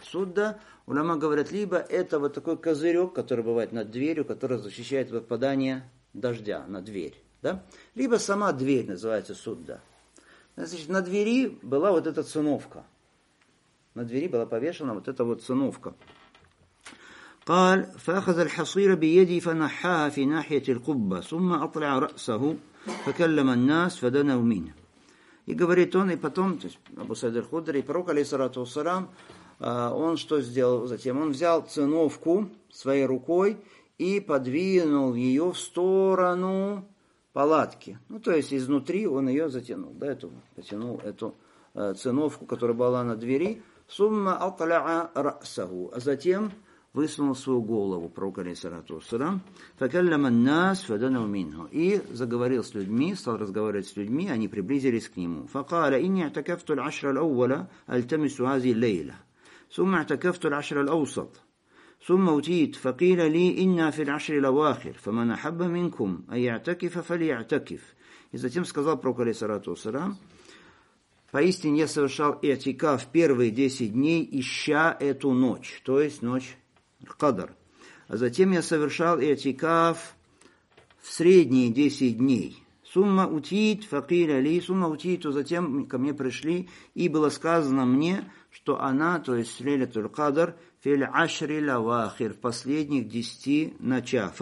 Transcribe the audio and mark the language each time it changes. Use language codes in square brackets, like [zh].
[ru] Судда, улема говорят, либо это вот такой козырек, который бывает над дверью, который защищает выпадание дождя на дверь, да? Либо сама дверь называется судда. Значит, на двери была вот эта циновка. На двери была повешена вот эта вот циновка. [ar] قال فأخذ الحصير بيدي فنحاها في ناحية القبة ثم أطلع رأسه فكلم الناس فدنوا منه. [ru] И говорит он, и потом, то есть Абу Саид аль-Худри, пророк, алейхиссалату вассалям, он что сделал затем? Он взял циновку своей рукой и подвинул ее в сторону палатки. Ну, то есть изнутри он ее затянул, да, эту, потянул эту циновку, которая была на двери. [ar] Сумма аталя расаху. [ru] А затем высунул свою голову пророк алейхиссалату вассалям. [ar] Факаллама ан-нас фаданау минху. [ru] И заговорил с людьми, стал разговаривать с людьми, они приблизились к нему. [ar] Факаля инни атакафту аль-ашра аль-ауваля альтамису азии лейла. Сумма атакафту аль-ашра аль-аусат. ثم أتيت فقيل لي إنا في العشر الأواخر فمن أحب منكم أن يعتكف فليعتكف. [ru] И затем сказал пророк, алейхиссалату вассалям, поистине я совершал итикаф первые 10 дней, ища эту ночь, то есть ночь Кадр. А затем я совершал итикаф в средние 10 дней. [ar] Сумма утит, факиля ли, сумма утит, [ru] то затем ко мне пришли, и было сказано мне, что она, то есть лейлатуль кадр, [ar] фил ашри лавахир, [ru] в последних 10 ночах.